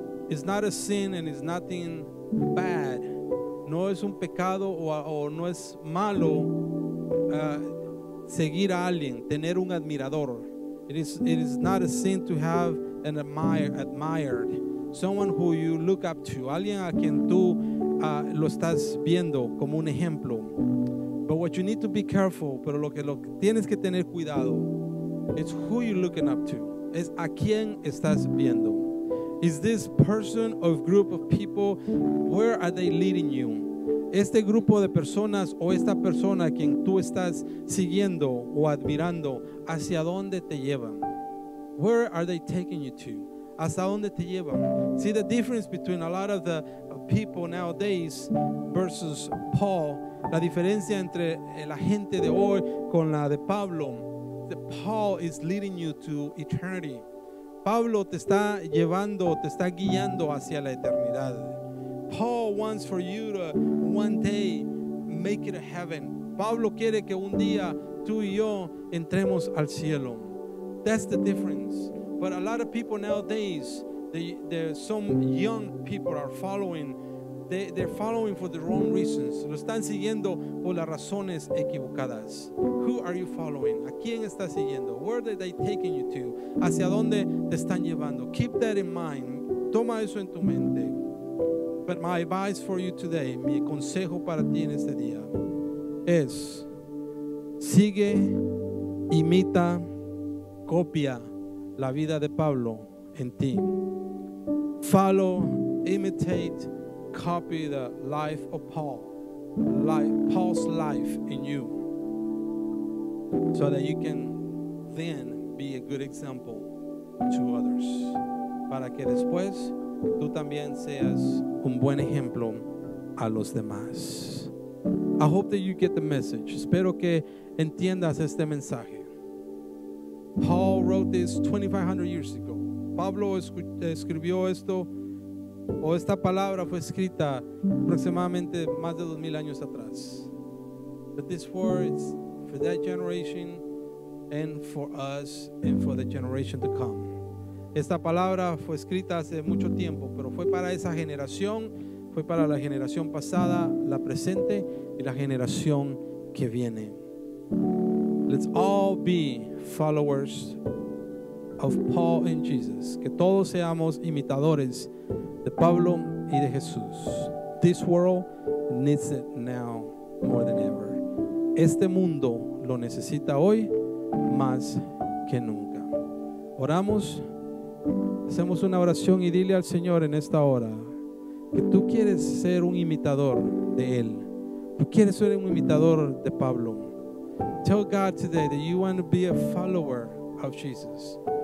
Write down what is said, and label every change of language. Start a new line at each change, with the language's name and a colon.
English: It's not a sin and it's nothing bad.
Spanish: No es un pecado o no es malo seguir a alguien, tener un admirador.
English: It is not a sin to have an admired, someone who you look up to,
Spanish: alguien a quien tú lo estás viendo como un ejemplo.
English: But what you need to be careful,
Spanish: pero lo que tienes que tener cuidado,
English: it's who you're looking up to,
Spanish: es a quien estás viendo.
English: Is this person or group of people, where are they leading you?
Spanish: Este grupo de personas o esta persona a quien tú estás siguiendo o admirando, ¿hacia dónde te llevan?
English: Where are they taking you to?
Spanish: ¿Hasta dónde te llevan?
English: See the difference between a lot of the people nowadays versus Paul.
Spanish: La diferencia entre la gente de hoy con la de Pablo.
English: Paul is leading you to eternity.
Spanish: Pablo te está llevando, te está guiando hacia la eternidad.
English: Paul wants for you to one day make it to heaven.
Spanish: Pablo quiere que un día tú y yo entremos al cielo.
English: That's the difference. But a lot of people nowadays, some young people are following. They're following for the wrong reasons.
Spanish: Lo están siguiendo por las razones equivocadas.
English: Who are you following?
Spanish: ¿A quién estás siguiendo?
English: Where are they taking you to?
Spanish: ¿Hacia dónde te están llevando?
English: Keep that in mind.
Spanish: Toma eso en tu mente.
English: But my advice for you today,
Spanish: mi consejo para ti en este día, es sigue, imita, copia la vida de Pablo en ti.
English: Follow, imitate, copy the life of Paul, Paul's life in you, so that you can then be a good example to others.
Spanish: Para que después tú también seas un buen ejemplo a los demás.
English: I hope that you get the message.
Spanish: Espero que entiendas este mensaje.
English: Paul wrote this 2500 years ago.
Spanish: Pablo escribió esto, o esta palabra fue escrita aproximadamente más de 2000 años atrás.
English: But this word is for that generation and for us and for the generation to come.
Spanish: Esta palabra fue escrita hace mucho tiempo, pero fue para esa generación, fue para la generación pasada, la presente y la generación que viene.
English: Let's all be followers of Paul and Jesus.
Spanish: Que todos seamos imitadores de Pablo y de Jesús.
English: This world needs it now more than ever.
Spanish: Este mundo lo necesita hoy más que nunca. Oramos, hacemos una oración y dile al Señor en esta hora que tú quieres ser un imitador de Él. Tú quieres ser un imitador de Pablo.
English: Tell God today that you want to be a follower of Jesus.